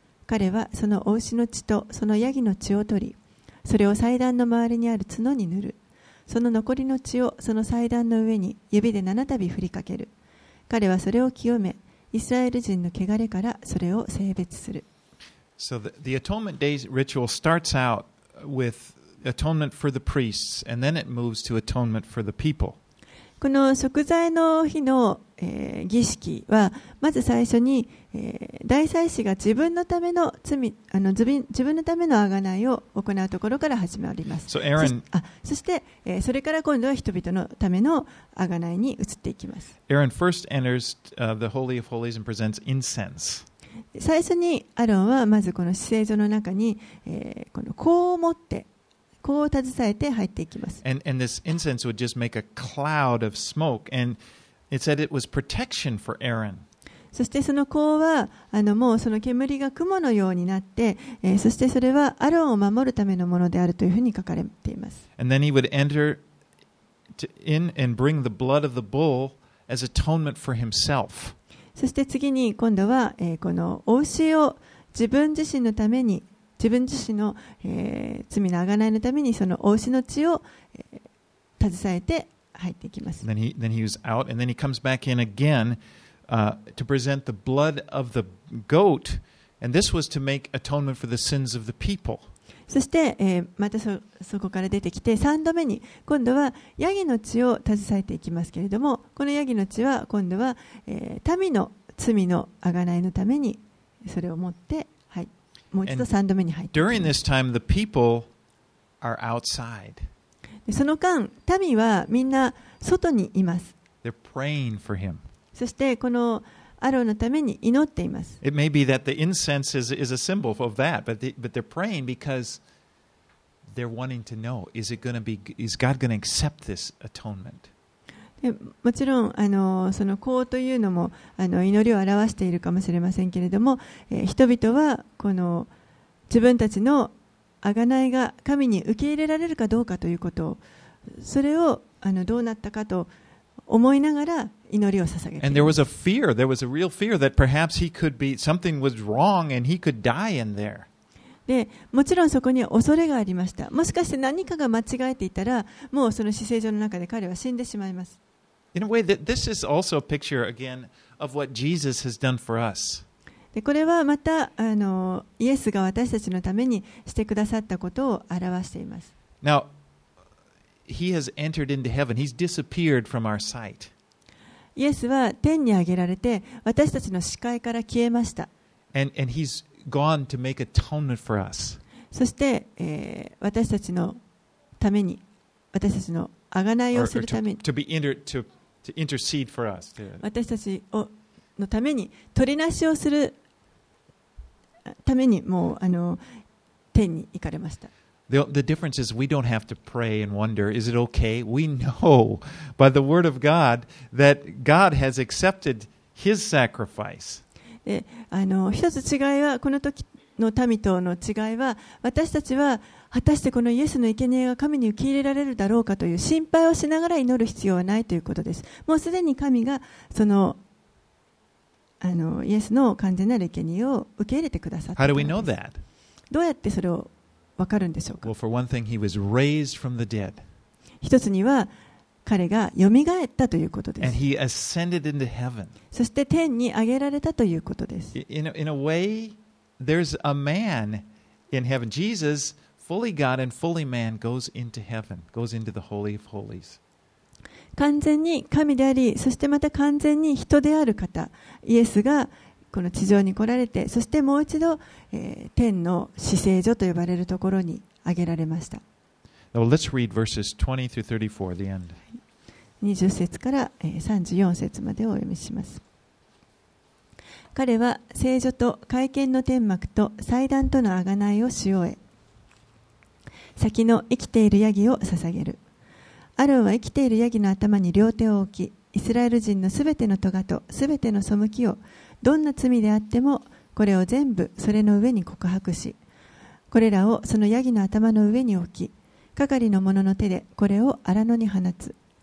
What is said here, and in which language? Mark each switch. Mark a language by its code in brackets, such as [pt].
[ja] 彼はそのお牛の血とそのヤギの血を取り、それを祭壇の周りにある角に塗る。その残りの血をその祭壇の上に指で七度振りかける。彼はそれを清め、イスラエル人の汚れからそれを清別する。 [en] So the atonement day's ritual starts out withAtonement for the priests, and then it moves to atonement for the people. [ja] この贖罪の日の、儀式はまず最初に、大祭司が自分のための罪、自分のための贖いを行うところから始まります。 [en] So Aaron, [ja] そして、それから今度は人々のための贖いに移っていきます。 [en] Aaron first enters the Holy of Holies and presents incense. [ja] 最初にアロンはまずこの至聖所の中に、この香を持って。こう携えて入っていきます。 [en] And this incense would just make a cloud of smoke, and it said it was protection for Aaron. [ja] そしてその香はもうその煙が雲のようになって、そしてそれはアロンを守るためのものであるというふうに書かれています。 [en] And then he would enter in and bring the blood of the bull as atonement for himself. [ja] そして次に今度は、この牛を自分自身のために自分自身の、罪の贖いのためにそのお牛の血を、携えて入っていきます。 [en] Then he was out, and then he comes back in again, to present the blood of the goat, and this was to make atonement for the sins of the people. [ja] そして、また そこから出てきて3度目に今度はヤギの血を携えていきますけれども、このヤギの血は今度は、民の罪の贖いのためにそれを持って、はい、もう一度3度目に入って。 [en] During this time, the people are outside. [ja] その間、民はみんな外にいます。 [en] They're praying for him. [ja] そしてこのアロンのために祈っています。 [en] It may be that the incense is a symbol of that, but they're praying because they're wanting to know, is God going to accept this atonement? [ja] もちろんその香というのも祈りを表しているかもしれませんけれども、人々はこの自分たちの贖いが神に受け入れられるかどうかということをそれをどうなったかと思いながら祈りを捧げています。 [en] And there was a fear, there was a real fear that perhaps he could be, something was wrong and he could die in there. [ja] で、もちろんそこに恐れがありました。もしかして何かが間違えていたら、もうその死生所の中で彼は死んでしまいます。 [en] In a way, this is also a picture again of what Jesus has done for us. [ja] でこれはまたイエスが私たちのためにしてくださったことを表しています。 [en] Now, he has entered into heaven. He's disappeared from our sight. [ja] イエスは天に上げられて私たちの視界から消えました。 [en] And he's gone to make atonement for us. [ja] そして、私たちのために私たちの贖いをするために [en] to intercede for us. [ja] 私たちをのために取りなしをするためにもう天に行かれました。 [en] The difference is we don't have to pray and wonder, is it okay? We know by the word of God that God has accepted His sacrifice. [ja] 一つ違いはこの時の民との違いは私たちは果たしてこのイエスの生贄が神に受け入れられるだろうかという心配をしながら祈る必要はないということです。もうすでに神がそのイエスの完全なる生贄を受け入れてくださったのです。どうやってそれを分かるんでしょうか。 [en] Well, for one thing, he was raised from the dead. [ja] 一つには彼がよみがえったということです。 [en] And he ascended into heaven. [ja] そして天に上げられたということです。 [en] In a way, there's a man in heaven. Jesus, fully God and fully man, goes into heaven, goes into the Holy of Holies. [ja] 完全に神であり、そしてまた完全に人である方、イエスがこの地上に来られて、そしてもう一度、天の至聖所と呼ばれるところに挙げられました。 [en] Now, let's read verses 20 through 34, the end. [ja] 20節から、34節までをお読みします。彼は聖所と会見の天幕と祭壇との贖いをし終え、先の生きているヤギを捧げる。アロンは生きているヤギの頭に両手を置き、イスラエル人のすべてのトガとすべての背きを、どんな罪であってもこれを全部それの上に告白し、これらをそのヤギの頭の上に置き、係の者の手でこれを荒野に放つ。